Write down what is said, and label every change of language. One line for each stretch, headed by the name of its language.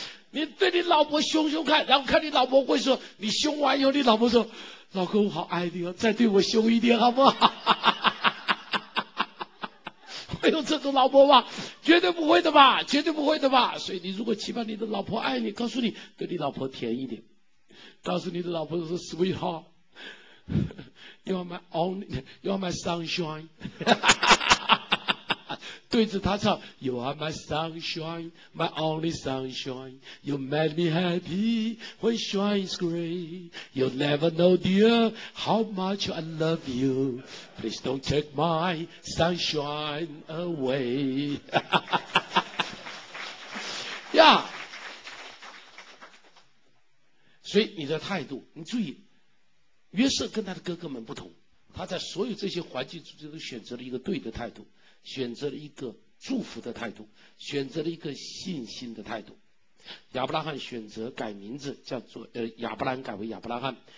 Chinese: 你对你老婆凶凶看，然后看你老婆会说，你凶完以后，你老婆说，老公我好爱你哦，再对我凶一点好不好？没有这种老婆吧？绝对不会的吧，绝对不会的吧。所以你如果期盼你的老婆爱你，告诉你对你老婆甜一点，告诉你的老婆说
English: Sweetheart You are my sunshine
Chinese: 对着他唱
English: You are my sunshine My only sunshine You make me happy When shine is gray You never know dear How much I love you Please don't take my sunshine away 哈哈哈哈。
Chinese: 所以你的态度，你注意，约瑟跟他的哥哥们不同，他在所有这些环境之中都选择了一个对的态度，选择了一个祝福的态度，选择了一个信心的态度。亚伯拉罕选择改名字，叫做亚伯兰改为亚伯拉罕。